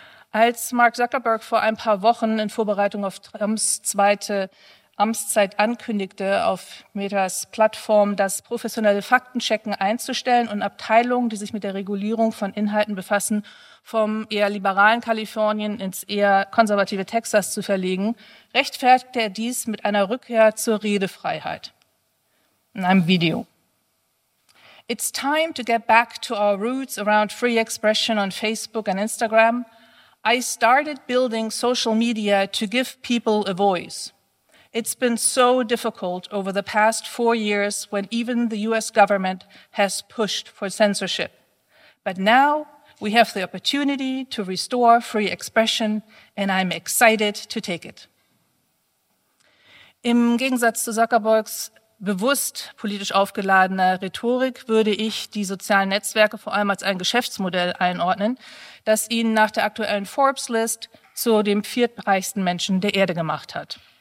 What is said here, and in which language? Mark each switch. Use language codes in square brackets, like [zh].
[de] Als Mark Zuckerberg vor ein paar Wochen in Vorbereitung auf Trumps zweite Amtszeit ankündigte, auf Metas Plattform das professionelle Faktenchecken einzustellen und Abteilungen, die sich mit der Regulierung von Inhalten befassen, vom eher liberalen Kalifornien ins eher konservative Texas zu verlegen, rechtfertigte er dies mit einer Rückkehr zur Redefreiheit. In einem Video: [en] It's time to get back to our roots around free expression on Facebook and Instagram. I started building social media to give people a voice. It's been so difficult over the past 4 years when even the US government has pushed for censorship. But now we have the opportunity to restore free expression and I'm excited to take it. [de] Im Gegensatz zu Zuckerbergs bewusst politisch aufgeladener Rhetorik würde ich die sozialen Netzwerke vor allem als ein Geschäftsmodell einordnen, das ihn nach der aktuellen Forbes-List zu dem 4. reichsten Menschen der Erde gemacht hat.